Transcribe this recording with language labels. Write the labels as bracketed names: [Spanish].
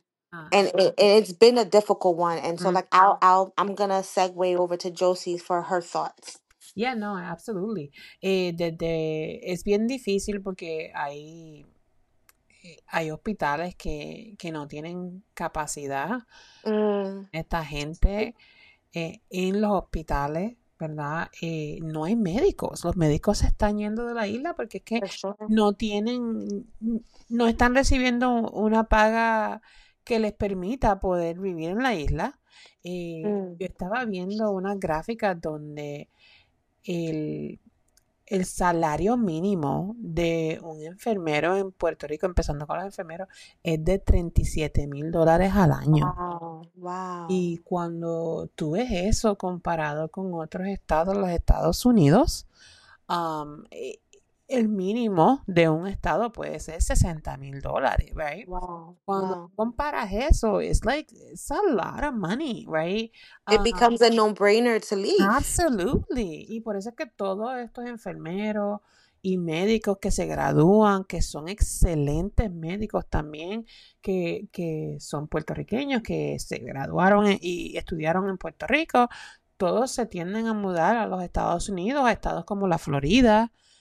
[English] And it's been a difficult one. And so like I'm gonna segue over to Josie for her thoughts. Yeah, no, absolutely. [Spanish] Es bien difícil porque hay hospitales que no tienen capacidad. Esta gente en los hospitales, ¿verdad? No hay médicos. Los médicos se están yendo de la isla porque es que [English] For sure. [Spanish] no tienen, no están recibiendo una paga que les permita poder vivir en la isla. Yo estaba viendo unas gráficas donde el salario mínimo de un enfermero en Puerto Rico, empezando con los enfermeros, es de 37 mil dólares al año. [English] Wow. [Spanish] Y cuando tú ves eso comparado con otros estados, los Estados Unidos, el mínimo de un estado puede ser 60 mil dólares, ¿right? [English] Wow, [Spanish] Cuando [English] wow. [Spanish] comparas eso, [English] it's like, it's a lot of money, right? It becomes a no-brainer to leave. Absolutely. [Spanish] Y por eso es que todos estos enfermeros y médicos que se gradúan, que son excelentes médicos también, que son puertorriqueños, que se graduaron y estudiaron en Puerto Rico, todos se tienden a mudar a los Estados Unidos, a estados como la Florida,